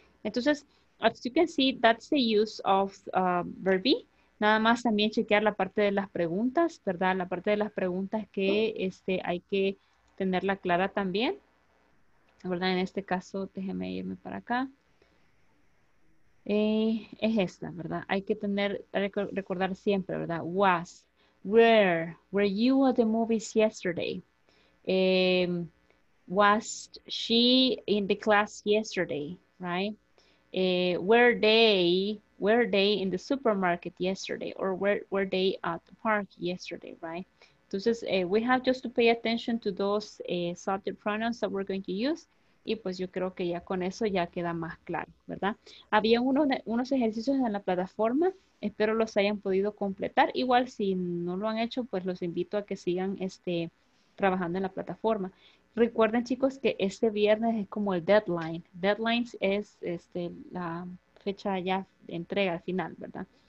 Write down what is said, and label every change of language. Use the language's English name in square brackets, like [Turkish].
[English] Entonces, as you can see, that's the use of verb be. [Spanish] Nada más también chequear la parte de las preguntas, ¿verdad? La parte de las preguntas que hay que tenerla clara también. ¿Verdad? En este caso, déjeme irme para acá. Es esta, ¿verdad? Hay que tener, recordar siempre, ¿verdad? [English] Was, where, were you at the movies yesterday? Was she in the class yesterday, right? Were they in the supermarket yesterday? Or were they at the park yesterday, right? Entonces, we have just to pay attention to those subject pronouns that we're going to use. [Spanish] Y pues yo creo que ya con eso ya queda más claro, ¿verdad? Había unos ejercicios en la plataforma. Espero los hayan podido completar. Igual si no lo han hecho, pues los invito a que sigan trabajando en la plataforma. Recuerden, chicos, que este viernes es como el deadline. Deadlines es la fecha ya de entrega al final, ¿verdad?